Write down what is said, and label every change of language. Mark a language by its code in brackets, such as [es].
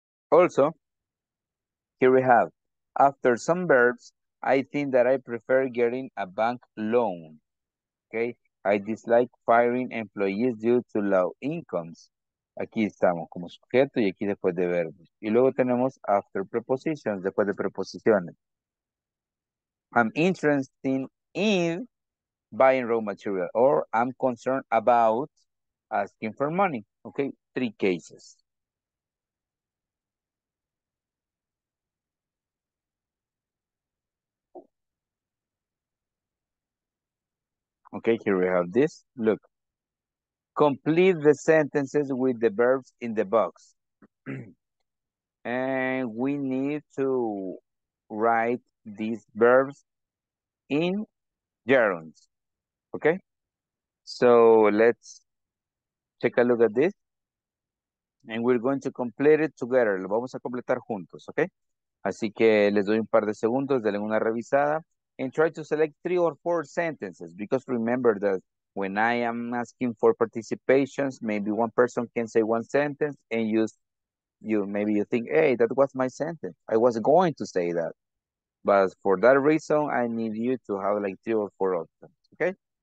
[en] Also, here we have, after some verbs, I think that I prefer getting a bank loan. Okay, I dislike firing employees due to low incomes. [es] Aquí estamos como sujeto y aquí después de verbos. Y luego tenemos [en] after prepositions, [es] después de preposiciones. [en] I'm interested in buying raw material, or I'm concerned about asking for money. Okay, three cases. Okay, here we have this. Look, complete the sentences with the verbs in the box. And we need to write these verbs in gerunds. Okay, so let's take a look at this. And we're going to complete it together. [es] Lo vamos a completar juntos, [en] okay? [es] Así que les doy un par de segundos, denle una revisada. [en] And try to select three or four sentences, because remember that when I am asking for participations, maybe one person can say one sentence and you think, hey, that was my sentence. I was going to say that. But for that reason, I need you to have like three or four of them, okay?